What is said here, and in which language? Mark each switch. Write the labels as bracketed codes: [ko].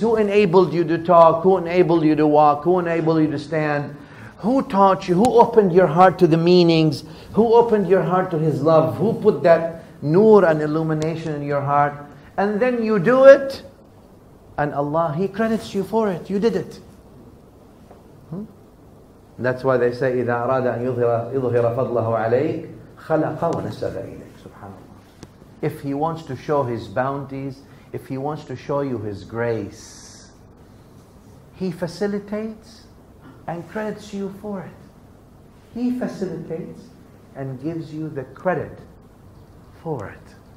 [en] Who enabled you to talk? Who enabled you to walk? Who enabled you to stand? Who taught you? Who opened your heart to the meanings? Who opened your heart to His love? Who put that nur and illumination in your heart? And then you do it, and Allah, He credits you for it. You did it. That's why they say, [ar] إِذَا أَرَادَ أَنْ يُظْهِرَ فَضْلَهُ عَلَيْكَ خَلَقَ وَنَسَّبَ إِلَيْكَ SubhanAllah. [en] If He wants to show His bounties, if He wants to show you His grace, He facilitates and credits you for it. He facilitates and gives you the credit for it.